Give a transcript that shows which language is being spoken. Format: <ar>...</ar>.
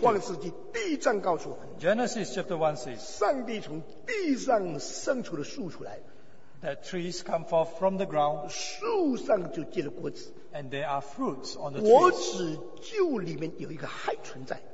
<zh>创世纪第一章告诉我们,</zh> <en>Genesis chapter 1 says,</en> <zh>上帝从地上生出了树出来,</zh> <en>that trees come forth from the ground,</en> <zh>树上就结了果子,</zh> <en>and there are fruits on the</en> <zh>果子就里面有一个害存在,</zh>